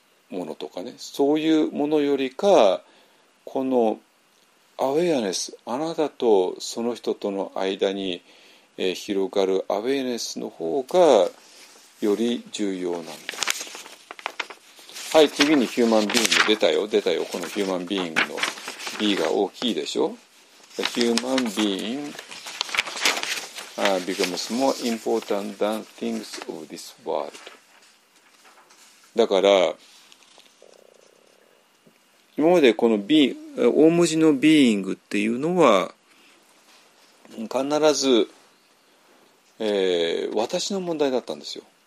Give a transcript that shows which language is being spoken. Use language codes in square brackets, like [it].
[ja] ものとかね、そういうものよりかこのアウェアネス、あなたとその人との間に、広がるアウェアネスの方がより重要なんだ。はい、次にヒューマンビーイング出たよ、出たよ、このヒューマンビーイングの B が大きいでしょ。 [en] The human being becomes more important than things of this world。 [ja] だから今までこの大文字のビーイングっていうのは必ず、私の問題だったんですよ。